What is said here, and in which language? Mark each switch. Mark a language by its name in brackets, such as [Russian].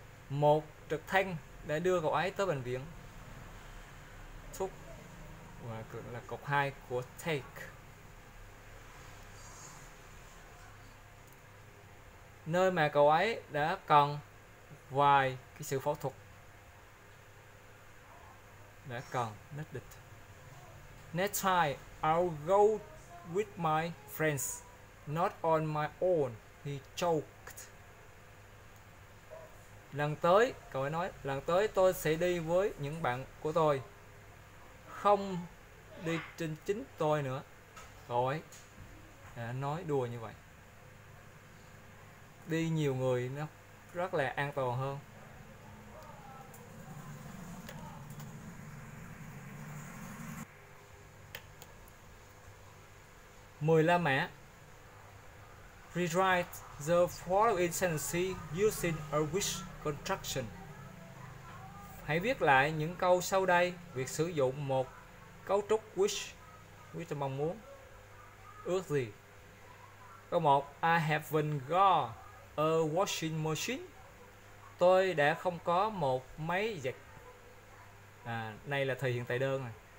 [Vietnamese] Một trực thăng đã đưa cậu ấy tới bệnh viện. Took và là cột 2 của take. Nơi mà cậu ấy đã cần vài cái sự phẫu thuật. Đã cần nhất định. [English] Next time I'll go with my friends, not on my own, he choked. [Vietnamese] Lần tới, cậu ấy nói, lần tới tôi sẽ đi với những bạn của tôi. Không đi trên chính tôi nữa. Cậu ấy đã nói đùa như vậy. Đi nhiều người nó rất là an toàn hơn. Mười La Mã. [English] Rewrite the following sentence using a wish construction. [Vietnamese] Hãy viết lại những câu sau đây, việc sử dụng một cấu trúc wish, wish là mong muốn, ước gì. Câu 1. [English] I haven't got a washing machine. [Vietnamese] Tôi đã không có một máy giặt. À, này là thời hiện tại đơn này.